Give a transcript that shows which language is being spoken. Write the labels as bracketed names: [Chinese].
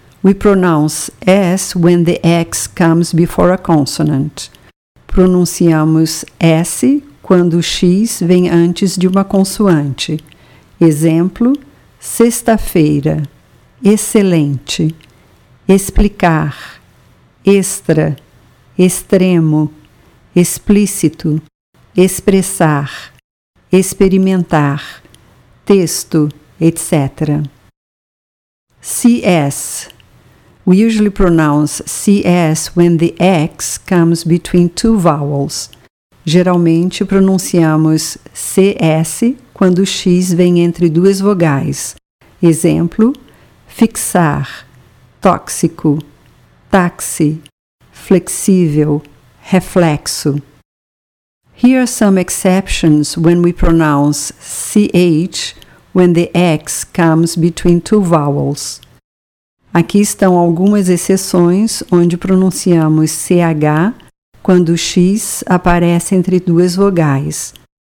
[English] We pronounce S when the X comes before a consonant. [Portuguese] Pronunciamos S quando o X vem antes de uma consoante. Exemplo, sexta-feira, excelente. Explicar, extra, extremo, explícito, expressar, experimentar, texto, etc. CS. [English] We usually pronounce CS when the X comes between two vowels. [Portuguese] Geralmente pronunciamos CS quando o X vem entre duas vogais. Exemplo, fixar, tóxico, táxi, flexível, reflexo. [English] Here are some exceptions when we pronounce CH when the X comes between two vowels. [Portuguese] Aqui estão algumas exceções onde pronunciamos CH quando o X aparece entre duas vogais.